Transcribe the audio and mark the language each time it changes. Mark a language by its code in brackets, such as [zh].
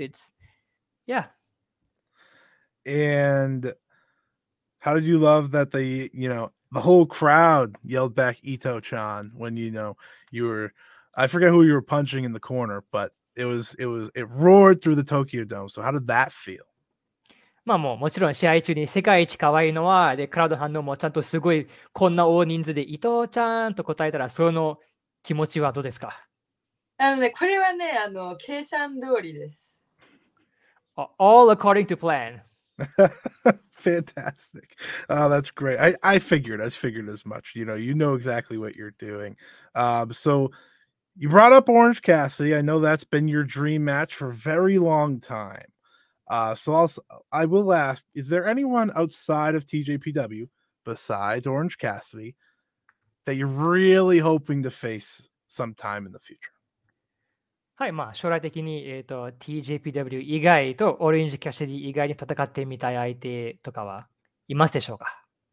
[en] It's, yeah. And how did you love that the, you know, the whole crowd yelled back Itoh-chan when, you know, you were, I forget who you were punching in the corner, but it roared through the Tokyo Dome. So how did that feel? [ja] まあ、もちろん試合中に世界一可愛いのはでクラウド反応もちゃんとすごいこんな大人数で伊藤ちゃんと答えたらその気持ちはどうですか？あのね、これはね、あの計算通りです。 [en] All according to plan. Fantastic. Oh, that's great. I figured as much. You know, you know exactly what you're doing. So you brought up Orange Cassidy. I know that's been your dream match for a very long time. So I will ask, is there anyone outside of TJPW, besides Orange Cassidy, that you're really hoping to face sometime in the future? [ja] はい、まあ将来的に、TJPW 以外とオレンジキャシディ以外に戦ってみたい相手とかはいますでしょうか？